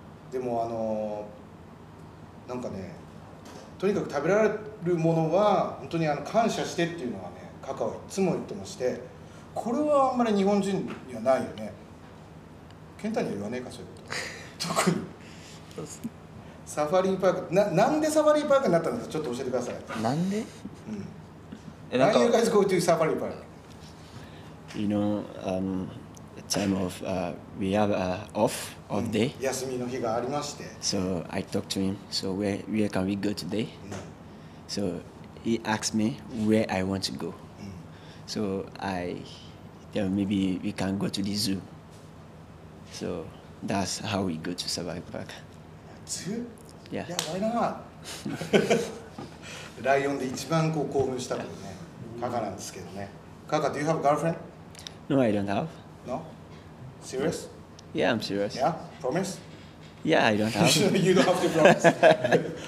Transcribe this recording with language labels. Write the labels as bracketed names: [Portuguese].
[Japanese] でも、なんかね、とにかく食べられるものは、本当に感謝してっていうのはね、カカオいつも言ってまして、これはあんまり日本人にはないよね。ケンタには言わねえか、そういうこと。特に。サファリーパーク、なんでサファリーパークになったんですか、ちょっと教えてください。なんで？ [English] うん。Why do you guys go to Safari Park? You know, time of we have a off of day. [Japanese] 休みの日がありまして。 [English] So I talked to him. So where can we go today? So he asked me where I want to go. So I tell maybe we can go to the zoo. So that's how we go to Safari Park. Zoo? Yeah. Yeah, why not? [Japanese] ライオンで一番こう興奮したのはね、カカなんですけどね。 [English] カカ、do you have a girlfriend? No, I don't have. No? Serious? Yeah, I'm serious. Yeah? Promise? Yeah, I don't have. You don't have to promise.